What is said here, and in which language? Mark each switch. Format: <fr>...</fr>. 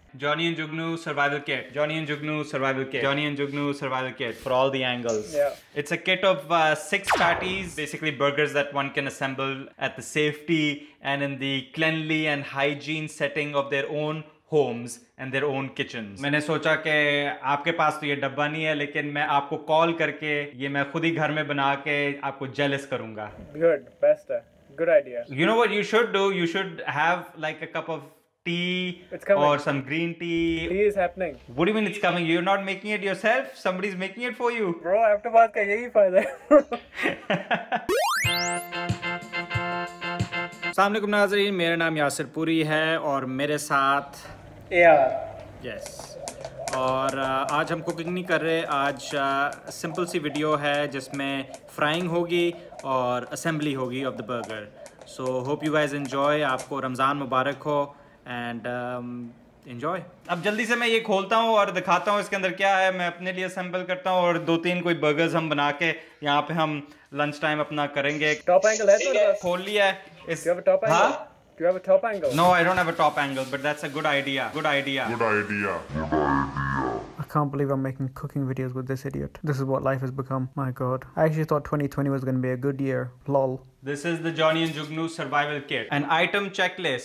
<en>Johnny and Jugnu survival kit. Johnny and Jugnu survival kit. Johnny and Jugnu survival kit for all the angles. Yeah. It's a kit of six patties, basically burgers that one can assemble at the safety and in the cleanly and hygiene setting of their own homes and their own kitchen.</en> <hi>मैंने सोचा कि आपके पास तो ये डब्बा नहीं है, लेकिन मैं आपको कॉल करके ये मैं खुद ही घर में बना के आपको जेलस करूंगा.</hi> <en>good, best</en> <hi>है,</hi> <en>Good idea. You know what you should do, you should have like a cup of tea it's coming,</en> <hi>और</hi> <en>Some green tea. Tea is happening what do mean it's coming, you are not making it yourself, somebody is making it for you. Bro, after</en> <hi>बात का यही फायदा है. अस्सलामुअलैकुम नाज़रीन, मेरा नाम यासिर पुरी है और मेरे साथ यस. और आज हम कुकिंग नहीं कर रहे, आज सिंपल सी वीडियो है जिसमें फ्राइंग होगी और असेंबली होगी</hi> <en>Of the burger. So hope you guys enjoy,</en> <hi>आपको रमज़ान मुबारक हो</hi> <en>And enjoy.</en> <hi>अब जल्दी से मैं ये खोलता हूँ और दिखाता हूँ इसके अंदर क्या है. मैं अपने लिए असेंबल करता हूँ और दो तीन कोई बर्गर्स हम बना के यहाँ पे हम लंच टाइम अपना करेंगे.</hi> <en>top angle</en> <hi>है तो खोल लिया है इस.</hi> <en>Do you have a top angle?</en> <hi>हाँ?</hi> <en>Do you have a top angle? No, I don't have a top angle, but that's a good idea. Good idea. Good idea. I can't believe I'm making cooking videos with this idiot. This is what life has become. My God. I actually thought 2020 was going to be a good year. Lol. This is the Johnny and Jugnu survival kit. An item checklist.</en>